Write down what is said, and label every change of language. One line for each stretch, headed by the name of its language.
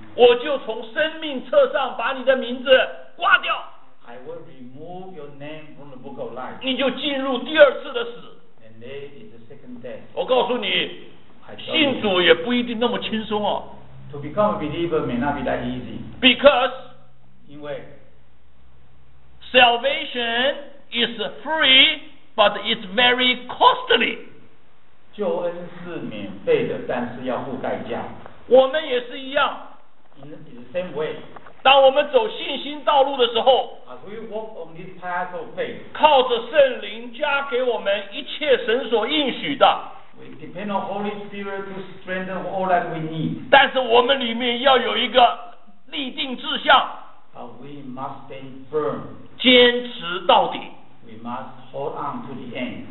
Chinese: 我就从生命册上把你的名字刮掉，
English: I will remove your name from the book of life.
Chinese: 你就进入第二次的死。
English: And there is the second death.
Chinese: 我告诉你， 信主也不一定那么轻松哦。
English: To become a believer may not be that easy. Because,
Chinese: 因为
English: Salvation is free, but it's very costly.
Chinese: 救恩是免费的，但是要付代价。我们也是一样。
English: In the same way.
Chinese: 当我们走信心道路的时候，
English: As we walk on this path of faith,
Chinese: 靠着圣灵加给我们一切神所应许的。
English: We depend on Holy Spirit to strengthen all that we need.
Chinese: 但是我们里面要有一个立定志向。
English: But we must stand firm.
Chinese: 坚持到底，
English: We must hold on to the end.